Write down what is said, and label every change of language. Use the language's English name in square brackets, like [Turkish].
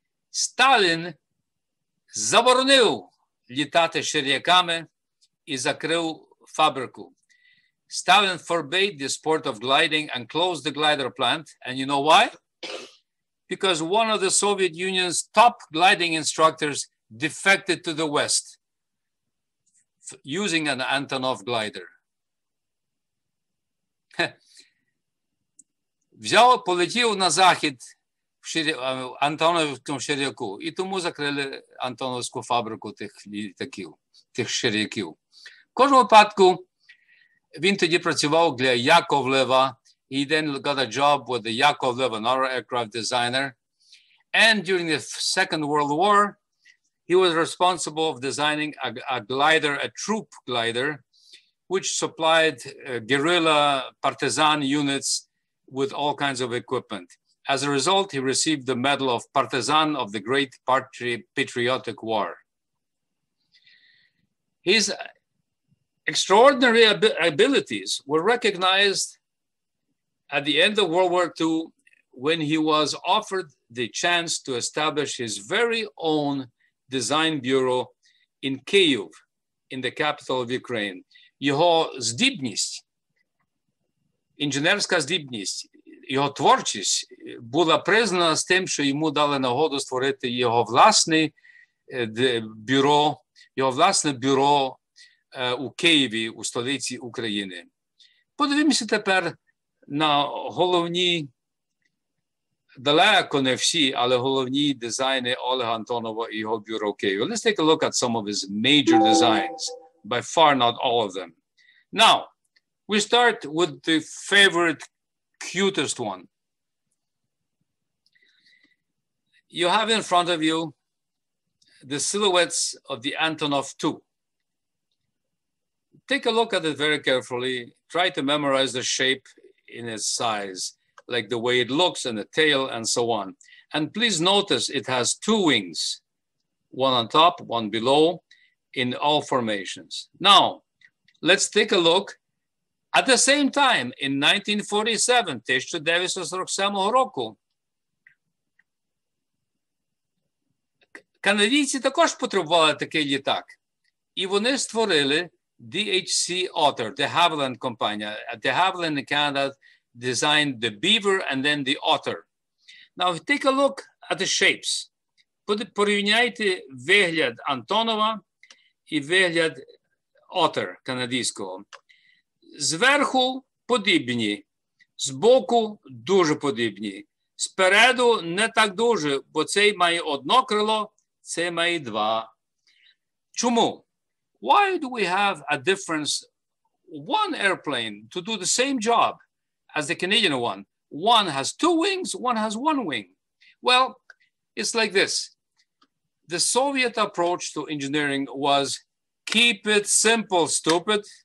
[Ukrainian] Сталін заборонив літати ширяками і закрив фабрику. [English] Сталін forbade the sport of gliding and closed the glider plant. And you know why? Because one of the Soviet Union's top gliding instructors defected to the West using an Antonov glider. [Ukrainian] Взяв, полетів на захід в Антоновському ширяку. І тому закрили Антоновську фабрику тих літаків, тих ширяків. В кожному випадку, він тоді працював для Яковлева. [English] He then got a job with the Яковлев, another aircraft designer. And during the Second World War, he was responsible for designing a glider, a troop glider, which supplied guerrilla partisan units with all kinds of equipment. As a result, he received the Medal of Partisan of the Great Patriotic War. His extraordinary abilities were recognized at the end of World War II when he was offered the chance to establish his very own design bureau in Kyiv, in the capital of Ukraine. [Ukrainian] Його здібність, інженерська здібність, його творчість була признана з тим, що йому дали нагоду створити його власний бюро, його власне бюро у Києві, у столиці України. Подивимося тепер на головні, далеко не всі, але головні дизайни Олега Антонова і його бюро у Києві. [English] Let's take a look at some of his major designs, by far not all of them. Now, we start with the favorite, cutest one. You have in front of you the silhouettes of the Antonov II. Take a look at it very carefully. Try to memorize the shape in its size, like the way it looks and the tail and so on. And please notice it has two wings, one on top, one below, in all formations. Now, let's take a look. At the same time, in 1947, [Ukrainian] 1947 року, канадійці також потребували такий літак. І вони створили DHC Otter, the Havilland компанія. [English] The Havilland in Canada designed the Beaver and then the Otter. Now, take a look at the shapes. [Ukrainian] Порівняйте вигляд Антонова і вигляд Otter канадійського. Зверху подібні, збоку дуже подібні. Спереду не так дуже, бо цей має одно крило, цей має два. Чому? [English] Why do we have a difference? One airplane to do the same job as the Canadian one. One has two wings, one has one wing. Well, it's like this. The Soviet approach to engineering was keep it simple, stupid.